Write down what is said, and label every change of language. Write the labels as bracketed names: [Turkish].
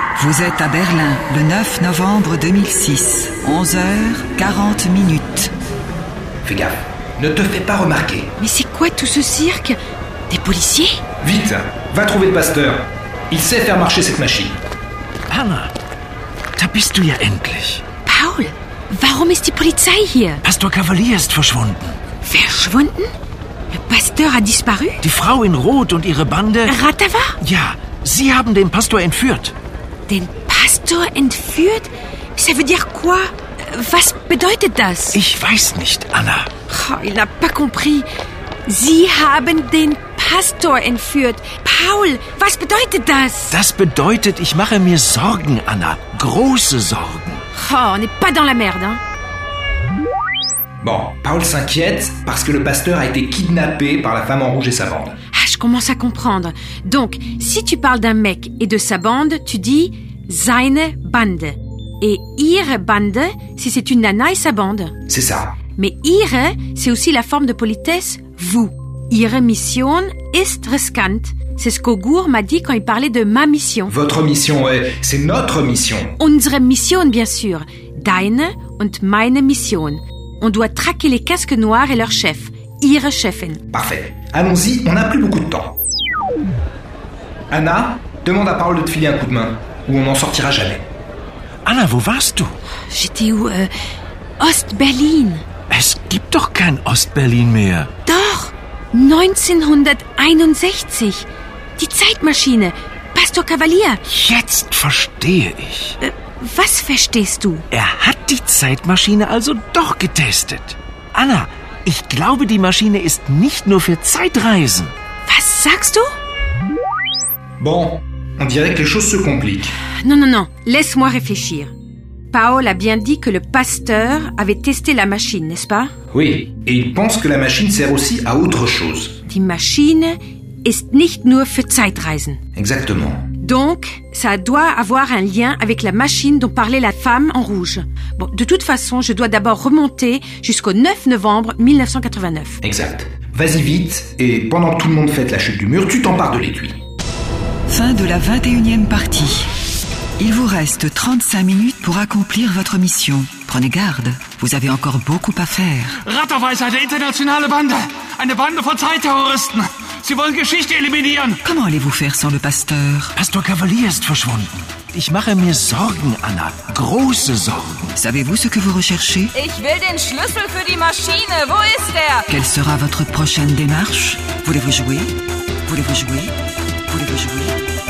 [French] Vous êtes à Berlin le 9 novembre 2006, 11h40. Fais gaffe, ne te fais pas remarquer. Mais c'est quoi tout ce cirque? Des policiers? Vite, va trouver le pasteur. Il sait faire marcher cette machine. [German] Anna, da bist du ja endlich. Paul, warum ist die Polizei hier? Pastor Cavalier ist verschwunden. [French] Verschwunden? Le pasteur a disparu? [German] Die Frau in Rot und ihre Bande... Ratava? Ja, sie haben den Pastor entführt. Den Pastor entführt? [French] Ça veut dire quoi? [German] Was bedeutet das? Ich weiß nicht, Anna. [French] Oh, il n'a pas compris. [German] Sie haben den Pastor entführt. Paul, was bedeutet das? Das bedeutet, ich mache mir Sorgen, Anna. Große Sorgen. [French] Oh, on n'est pas dans la merde, hein? Bon, Paul s'inquiète parce que le pasteur a été kidnappé par la femme en rouge et sa bande. Ah, je commence à comprendre. Donc, si tu parles d'un mec et de sa bande, tu dis « [German] seine Bande ». [French] Et « [German] ihre Bande [French] », si c'est une nana et sa bande. C'est ça. Mais « ihre », c'est aussi la forme de politesse « vous ». [German] Ihre Mission ist riskant. [French] C'est ce qu'Ogur m'a dit quand il parlait de ma mission. Votre mission, ouais. C'est notre mission. [German] Unsere Mission, [French] bien sûr. [German] Deine und meine Mission. [French] On doit traquer les casques noirs et leur chef. [German] Ihre Chefin. [French] Parfait. Allons-y, on n'a plus beaucoup de temps. Anna, demande à Paul de te filer un coup de main, ou on n'en sortira jamais. [German] Anna, wo warst du? [French] J'étais où? Ost-Berlin. [German] Es gibt doch kein Ost-Berlin mehr. 1961. Die Zeitmaschine. Pastor Cavalier. Jetzt verstehe ich. Was verstehst du? Er hat die Zeitmaschine also doch getestet. Anna, ich glaube, die Maschine ist nicht nur für Zeitreisen. Was sagst du? [French] Bon, on dirait que les choses se compliquent. Non, non, non. Laisse-moi réfléchir. Paul a bien dit que le pasteur avait testé la machine, n'est-ce pas? Oui, et il pense que la machine sert aussi à autre chose. [German] Die Maschine ist nicht nur für Zeitreisen. [French] Exactement. Donc, ça doit avoir un lien avec la machine dont parlait la femme en rouge. Bon, de toute façon, je dois d'abord remonter jusqu'au 9 novembre 1989. Exact. Vas-y vite, et pendant que tout le monde fête la chute du mur, tu t'empares de l'étui. Fin de la 21e partie. Il vous reste 35 minutes pour accomplir votre mission. Prenez garde, vous avez encore beaucoup à faire. [German] Ratava ist eine internationale Bande. Eine Bande von Zeitterroristen. Sie wollen Geschichte eliminieren. [French] Comment allez-vous faire sans le pasteur? [German] Pastor Cavalier ist verschwunden. Ich mache mir Sorgen, Anna. Große Sorgen. [French] Savez-vous ce que vous recherchez? [German] Ich will den Schlüssel für die Maschine. Wo ist er? [French] Quelle sera votre prochaine démarche? Voulez-vous jouer? Voulez-vous jouer? Voulez-vous jouer? Voulez-vous jouer?